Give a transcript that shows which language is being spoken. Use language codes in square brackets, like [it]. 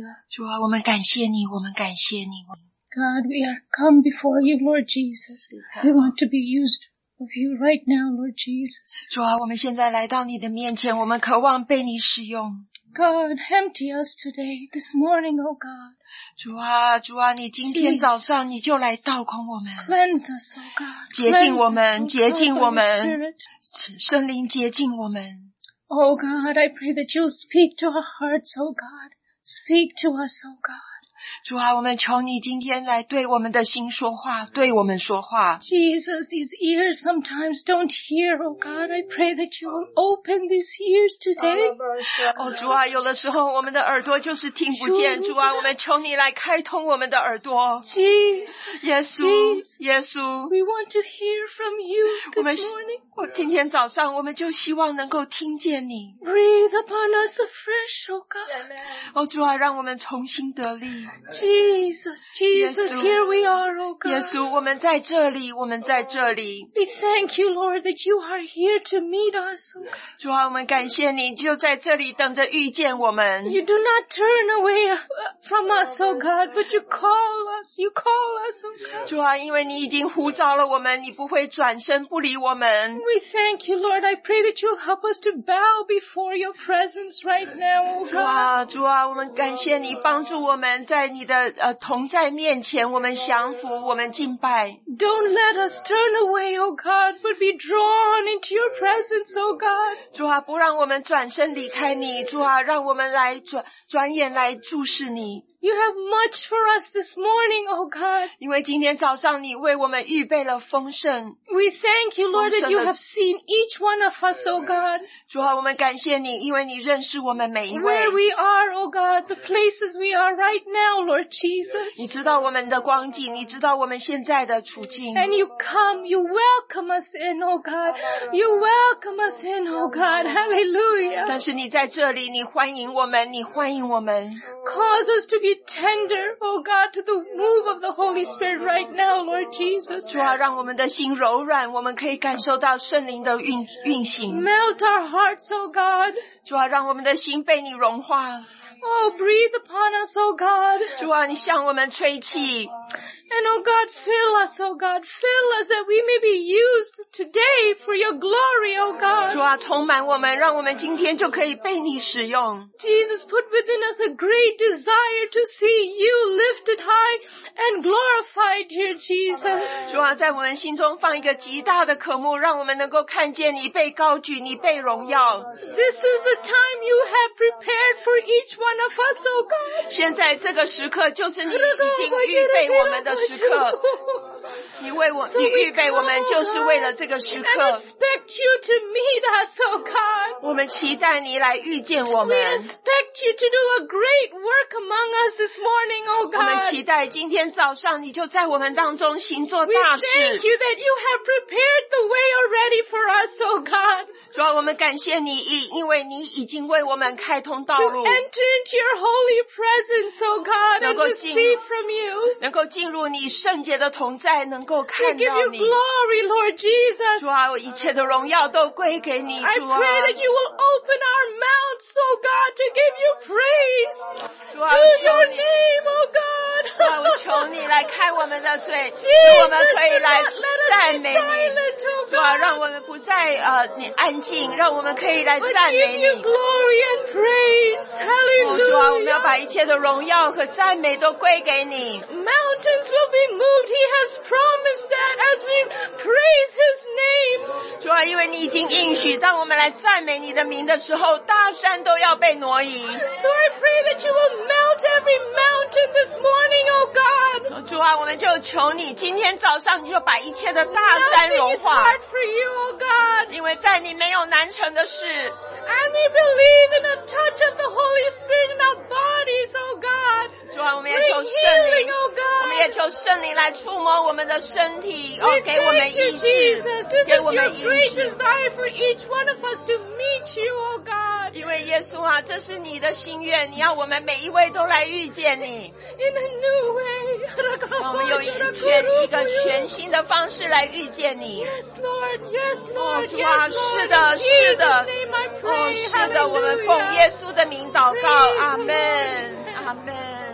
[zh] 主啊，我们感谢你，我们感谢你。 [en] God, we are come before you, Lord Jesus. We want to be used of you right now, Lord Jesus. [zh] 主啊，我们现在来到你的面前，我们渴望被你使用。 [en] God, empty us today, this morning, O God. [zh] 主啊，主啊，你今天早上你就来倒空我们。 [en] Cleanse us, O God. [zh] 洁净我们，洁净我们，圣灵洁净我们。 [en] Oh God, I pray that you'll speak to our hearts, oh God. Speak to us, oh God. [zh] 主啊，我们求你今天来对我们的心说话，对我们说话。 [en] Jesus, these ears sometimes don't hear, oh God. I pray that you'll open these ears today. [zh] Oh, 主啊，有的时候我们的耳朵就是听不见。主啊，我们求你来开通我们的耳朵。 [en] Jesus, [zh] 耶稣，耶稣。 [en] We want to hear from you this morning. [zh] 我今天早上我们就希望能够听见你。 [en] Breathe upon us afresh, O God. [zh] 哦，主啊，让我们重新得力。 [en] Jesus, Jesus, here we are, O God. [zh] 耶稣，我们在这里，我们在这里。 [en] We thank you, Lord, that you are here to meet us, O God. [zh] 主啊，我们感谢你，就在这里等着遇见我们。 [en] You do not turn away from us, O God, but you call us, you call us, O God. [zh] 主啊，因为你已经呼召了我们，你不会转身不理我们。 [en] We thank you, Lord. I pray that you'll help us to bow before your presence right now, O God. [zh] 主啊，主啊，我们感谢你帮助我们在你的同在面前，我们降服，我们敬拜。 [en] Don't let us turn away, O God, but be drawn into your presence, O God. [zh] 主啊，不让我们转身离开你。主啊，让我们来转眼来注视你。 [en] You have much for us this morning, O God. [zh] 因为今天早上你为我们预备了丰盛。 [en] We thank you, Lord, that you have seen each one of us, O God. [zh] 主啊，我们感谢你，因为你认识我们每一位。 [en] Where we are, O God, the places we are right now, Lord Jesus. [zh] 你知道我们的光景，你知道我们现在的处境。 [en] And you come, you welcome us in, O God. You welcome us in, O God. Hallelujah. [zh] 但是你在这里，你欢迎我们，你欢迎我们。 [en] Cause us to be tender, O God, to the move of the Holy Spirit right now, Lord Jesus. [zh] 主啊，让我们的心柔软，我们可以感受到圣灵的运行。 [en] Melt our hearts, O God. [zh] 主啊，让我们的心被你融化。 [en] Oh, breathe upon us, O God. [zh] 主啊，你向我们吹气。 [en] And O God, fill us, O God, fill us that we may be used today for your glory, O God. [zh] 主啊，充满我们，让我们今天就可以被你使用。 [en] Jesus, put within us a great desire to see you lifted high and glorified, dear Jesus. [zh] 主啊，在我们心中放一个极大的渴慕，让我们能够看见你被高举，你被荣耀。 [en] This is the time you have prepared for each one of us, O God. [zh] 现在这个时刻就是你已经预备我们的时刻。你预备我们就是为了这个时刻。 [en] We expect you to meet us, O God. [zh] 我们期待你来遇见我们。 [en] We expect you to do a great work among us this morning, O God. [zh] 我们期待今天早上你就在我们当中行做大事。 [en] We thank you that you have prepared the way already for us, O God. [zh] 主啊，我们感谢你，因为你已经为我们开通道路。 [en] To enter into your holy presence, O God, and receive from you. [zh] 能够进入你圣洁的同在，能够看到你。 [en] We give you glory, Lord Jesus. [zh] 主啊，一切的荣耀都归给你，主啊。 [en] I pray that you will open our mouths, O God, to give you praise. [zh] 主啊，求你。 [en] In your name, O God. [zh] 主啊，我求你来开我们的嘴， [en] Jesus, [zh] 我们可以来赞美你。 [en] Silent, [zh] 主啊，让我们不再你安静，让我们可以来赞美你。 [en] But give you glory and praise. Hallelujah. [zh] 主啊，我们要把一切的荣耀和赞美都归给你。 [en] Mountains will be moved. He has promised that as we praise His name. [zh] 主啊，因为你已经应许，当我们来赞美你的名的时候，大山都要被挪移。 [en] So I pray that you will melt every mountain this morning, O God. [zh] 主啊，我们就求你，今天早上你就把一切的大山融化。 [en] Nothing is hard for you, O God. [zh] 因为在你没有难成的事。 [en] I may believe in a touch of the Holy Spirit in our bodies, O God. [zh] 主啊，我们也求圣灵。 [en] Healing, oh、God. [zh] 我们也求圣灵来触摸我们的身体，哦，给我们医治，给我们医治。 [en] This is your great desire for each one of us to meet you, oh God. [zh] 因为耶稣啊，这是你的心愿，你要我们每一位都来遇见你。 [en] In a new way, [zh] 让我们用一个全新的方式来遇见你。 [en] Yes, Lord. Yes, Lord. [zh] 哦，主啊，是的，是的。哦，是的，我们奉耶稣的名祷告，阿门，阿门。